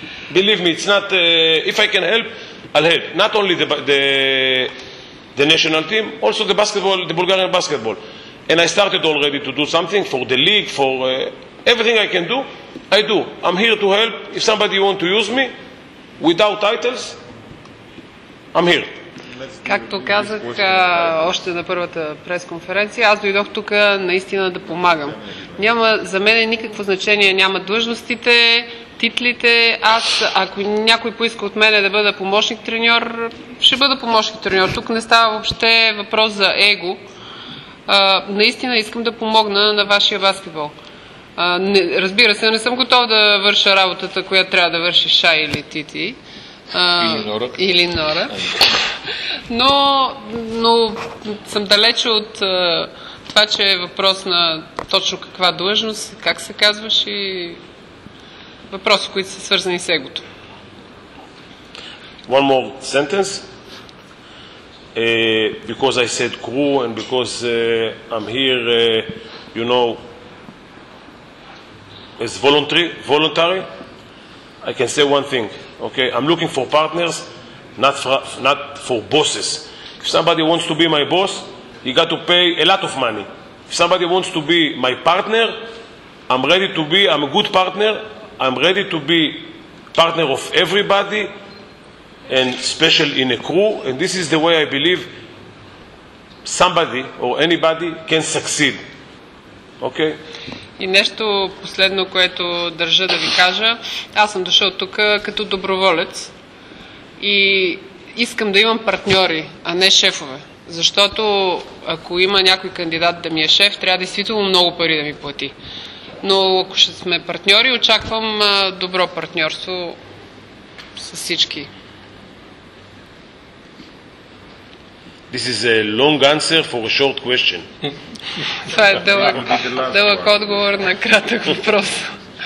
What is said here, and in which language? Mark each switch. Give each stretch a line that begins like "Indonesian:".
English: Believe me, it's not, if I can help, I'll help. Not only the national team, also the basketball, the Bulgarian basketball. And I started already to do something for the league, for everything I can do, I do. I'm here to help. If somebody wants to use me, without titles, I'm here.
Bulgarian: Както казах още на първата пресконференция, аз дойдох тук наистина да помагам. Няма за мен никакво значение, няма длъжностите, титлите. Аз, ако някой поиска от мене да бъда помощник треньор, ще бъда помощник треньор. Тук не става въобще въпрос за его. Наистина искам да помогна на вашия баскетбол. Разбира се, не съм готов да върша работата, която трябва да върши Шай или Titi. Или Нора. Но съм далече от това, че е въпрос на точно каква длъжност, как се казваш и въпроси, които са свързани с егото.
English: One more sentence. Because I said crew and because I'm here, you know, as voluntary, I can say one thing. Okay, I'm looking for partners, not for bosses. If somebody wants to be my boss, you got to pay a lot of money. If somebody wants to be my partner, I'm a good partner. I'm ready to be partner of everybody, and special in a crew. And this is the way I believe somebody or anybody can succeed. Okay?
Bulgarian: И нещо последно, което държа да ви кажа. Аз съм дошъл тук като доброволец и искам да имам партньори, а не шефове. Защото ако има някой кандидат да ми е шеф, трябва действително много пари да ми плати. Но ако ще сме партньори, очаквам добро партньорство с всички.
English: This is a long answer for a short question.
Bulgarian: Това е дълъг отговор на кратък въпрос.